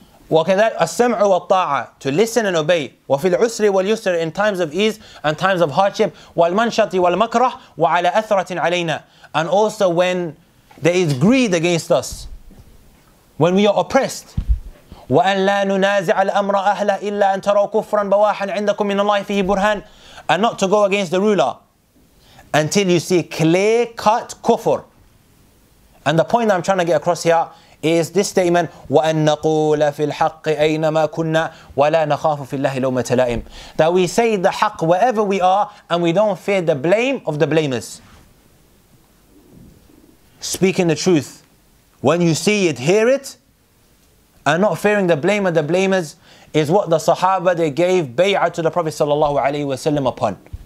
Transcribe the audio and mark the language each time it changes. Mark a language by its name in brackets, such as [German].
[Arabic] وَكَذَلَكَ السَّمْعُ وَالطَّاعَةُ [English] to listen and obey. [Arabic] وَفِي الْعُسْرِ وَالْيُسْرِ [English] in times of ease and times of hardship. [Arabic] وَالْمَنْشَطِ وَالْمَكْرَحِ وَعَلَى أَثْرَةٍ عَلَيْنَا [English] and also when there is greed against us. When we are oppressed. [Arabic] وَأَنْ لَا نُنَازِعَ الْأَمْرَ أَهْلَهِ إِلَّا أَنْ تَرَوْا كُفْرًا بَوَاحًا عِنْدَكُمْ مِنَ اللَّهِ فِيهِ بُرْهَانٍ [English] and not to go against the ruler until you see clear-cut kufr. And the point that I'm trying to get across here is this statement, [Arabic] وَأَنْ نَقُولَ فِي الْحَقِّ أَيْنَمَا كُنَّا وَلَا نَخَافُ فِي اللَّهِ لَوْمَةَ لَائِمٍ [English] that we say the haqq wherever we are and we don't fear the blame of the blamers. Speaking the truth, when you see it, hear it, and not fearing the blame of the blamers is what the Sahaba, they gave bay'ah to the Prophet sallallahu alaihi wasallam upon.